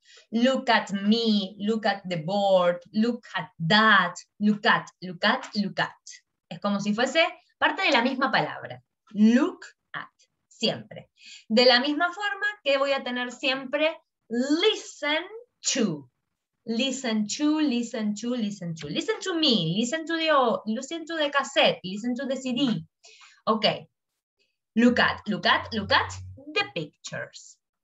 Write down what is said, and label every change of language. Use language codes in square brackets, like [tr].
[en] Look at me, look at the board, look at that, look at, look at, look at. [es] Es como si fuese parte de la misma palabra. Look at, siempre. De la misma forma que voy a tener siempre listen to. [en] Listen to, listen to, listen to. Listen to me, listen to the, listen to the cassette, listen to the CD. Ok. Look at, look at, look at the pictures.